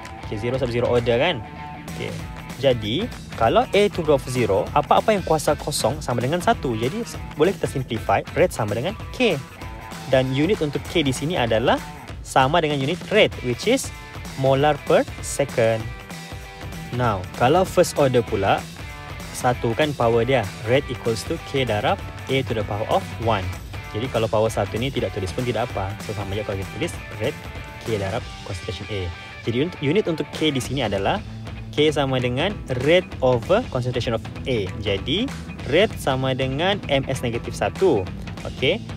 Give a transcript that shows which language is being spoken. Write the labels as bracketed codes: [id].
[ms] Okay, zero sub zero order kan? Okay. Jadi, kalau [en] A to the power of zero, [ms] apa-apa yang kuasa kosong sama dengan satu. Jadi, boleh kita simplify, rate sama dengan K. Dan unit untuk K di sini adalah sama dengan unit rate, [en] which is molar per second. [ms] Now, kalau first order pula, satu kan power dia. [en] Rate equals to K [ms] darab [en] A to the power of 1. [ms] Jadi kalau power 1 ni tidak tulis pun tidak apa. So sama je kalau kita tulis rate K darab concentration A. Jadi unit untuk K di sini adalah K sama dengan rate over concentration of A. Jadi rate sama dengan MS negatif 1. Okay.